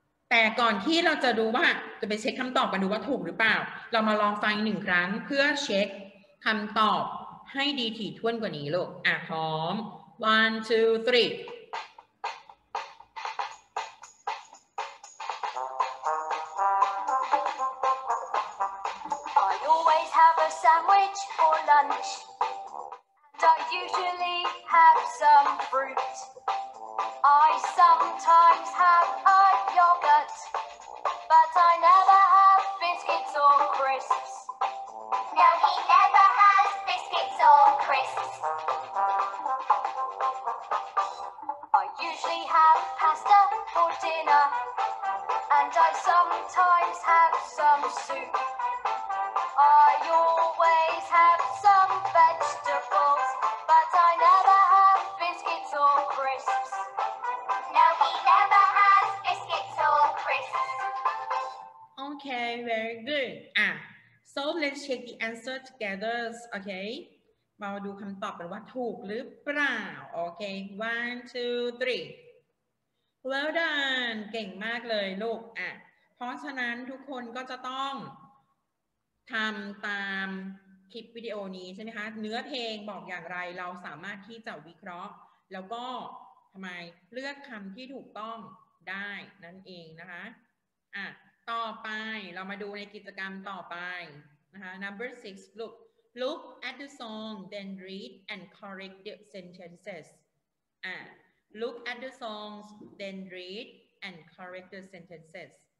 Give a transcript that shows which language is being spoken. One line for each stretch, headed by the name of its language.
Thai: แต่ก่อนที่เราจะดูว่าจะไปเช็คคำตอบกันดูว่าถูกหรือเปล่าเรามาลองฟังหนึ่งครั้งเพื่อเช็คคำตอบให้ดีถี่ถ้วนกว่านี้ลูกพร้อม1 2 3
English: I always have a sandwich for lunch and I usually have some fruit I sometimes have a yogurt but I never have biscuits or crisps No he never hasBiscuits or crisps. I usually have pasta for dinner, and I sometimes have some soup. I always have some vegetables, but I never have biscuits or crisps. No, he never has biscuits or crisps. Okay, very good. So let's check the answer together, okay?
Thai: มาดูคำตอบกันว่าถูกหรือเปล่าโอเค1 2 3
English: Well done
Thai: เก่งมากเลยลูกเพราะฉะนั้นทุกคนก็จะต้อง ทำตามคลิปวิดีโอนี้ใช่ไหมคะเนื้อเพลงบอกอย่างไรเราสามารถที่จะวิเคราะห์แล้วก็ทำไมเลือกคำที่ถูกต้องได้นั่นเองนะคะอ่ะต่อไปเรามาดูในกิจกรรมต่อไปนะคะ
English: number 6 look at the song then read and correct the sentences
Thai: อ่ะ
English: look at the songs then read and correct the sentences